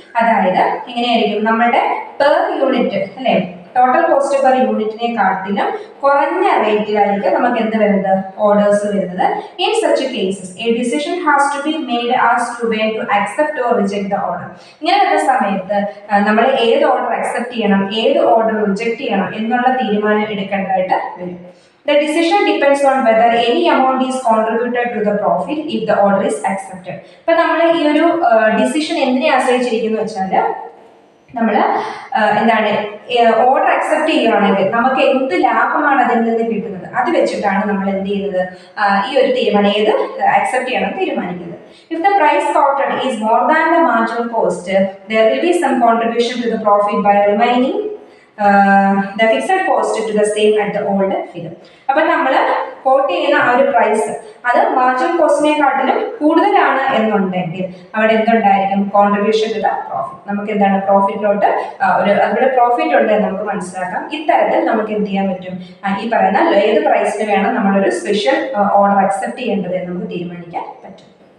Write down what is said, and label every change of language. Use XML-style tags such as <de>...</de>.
<ml>അതായത് ഇങ്ങനെയായിരിക്കും, നമ്മുടെ പെർ യൂണിറ്റ് അല്ലെ, ടോട്ടൽ കോസ്റ്റ് പെർ യൂണിറ്റിനെ കാട്ടിലും കുറഞ്ഞ റേറ്റിലായിരിക്കും നമുക്ക് എന്ത് വരുന്നത്, ഓർഡേഴ്സ് വരുന്നത്.</ml> <en>In such cases a decision has to be made as to way to accept or reject the order.</en> <ml>ഇങ്ങനെ വരുന്ന സമയത്ത് നമ്മൾ ഏത് ഓർഡർ അക്സെപ്റ്റ് ചെയ്യണം, ഏത് ഓർഡർ റിജക്ട് ചെയ്യണം എന്നുള്ള തീരുമാനം എടുക്കേണ്ടതായിട്ട് വരും.</ml> <en>The decision depends on whether any amount is contributed to the profit if the order is accepted.</en> <ml>അപ്പോൾ നമ്മൾ ഈ ഒരു ഡിസിഷൻ എന്തിനെ ആശ്രയിച്ചിരിക്കുന്നു വെച്ചാൽ, നമ്മൾ എന്താണ് ഓർഡർ അക്സെപ്റ്റ് ചെയ്യുകയാണെങ്കിൽ നമുക്ക് എന്ത് ലാഭമാണ് അതിൽ നിന്ന് കിട്ടുന്നത്, അത് വെച്ചിട്ടാണ് നമ്മൾ എന്ത് ചെയ്യുന്നത്, ഈ ഒരു തീരുമാനം ഏത് അക്സെപ്റ്റ് ചെയ്യണം തീരുമാനിക്കുന്നത്.</ml> <en>If the price quoted is more than the marginal cost, there will be some contribution to the profit by remaining the fixed cost to the same at the old figure.</en> <ml>അപ്പം നമ്മൾ coat ചെയ്യുന്ന ആ ഒരു price അത് marginal കോസ്റ്റിനെക്കാട്ടിലും കൂടുതലാണ് എന്നുണ്ടെങ്കിൽ അവിടെ എന്തുണ്ടായിരിക്കും, contribution to the profit. നമുക്ക് എന്താണ് പ്രോഫിറ്റിലോട്ട് ഒരു അതിലൂടെ പ്രോഫിറ്റ് ഉണ്ട് എന്ന് നമുക്ക് മനസ്സിലാക്കാം. ഇത്തരത്തിൽ നമുക്ക് എന്ത് ചെയ്യാൻ പറ്റും, ഈ പറയുന്ന ഏത് പ്രൈസിന് വേണം നമ്മളൊരു സ്പെഷ്യൽ ഓർഡർ അക്സെപ്റ്റ് ചെയ്യേണ്ടത് എന്ന് നമുക്ക് തീരുമാനിക്കാൻ പറ്റും.</ml>